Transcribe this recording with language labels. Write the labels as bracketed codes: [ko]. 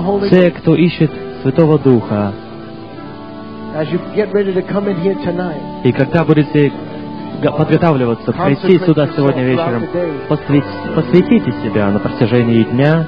[ru] Те, кто ищет Святого Духа, [en] as you get ready to come in here tonight, [ru] и когда будете подготавливаться, прийти сюда сегодня вечером, посвятите себя на протяжении дня,